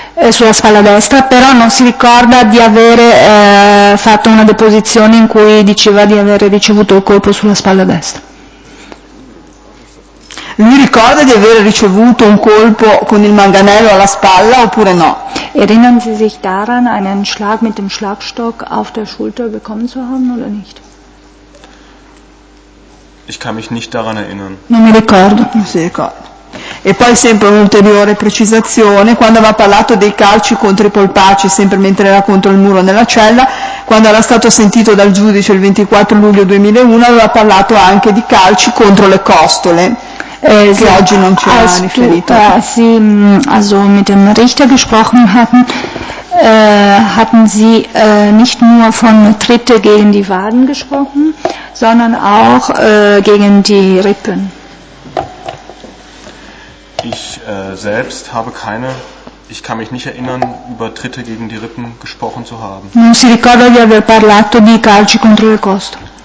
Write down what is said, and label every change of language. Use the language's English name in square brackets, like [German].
[Italian] Sulla spalla destra, però non si ricorda di avere fatto una deposizione in cui diceva di aver ricevuto il colpo sulla spalla destra. Lui ricorda di aver ricevuto un colpo con il manganello alla spalla oppure no? [German] Erinnern Sie sich daran, einen Schlag mit dem Schlagstock auf der Schulter bekommen zu haben oder nicht? Ich kann mich nicht daran erinnern. [Italian] Non mi ricordo, non si ricorda. E poi sempre un'ulteriore precisazione, quando aveva parlato dei calci contro i polpacci, sempre mentre era contro il muro nella cella, quando era stato sentito dal giudice il 24 luglio 2001, aveva parlato anche di calci contro le costole, che oggi non ci hanno riferito. [German] Sì, also mit dem Richter gesprochen hatten, hatten Sie nicht nur von Tritte gegen die Waden gesprochen, sondern auch gegen die Rippen. Ich selbst habe keine, ich kann mich nicht erinnern, über Tritte gegen die Rippen gesprochen zu haben. [Italian] Non si ricorda di aver parlato di calci contro le costole.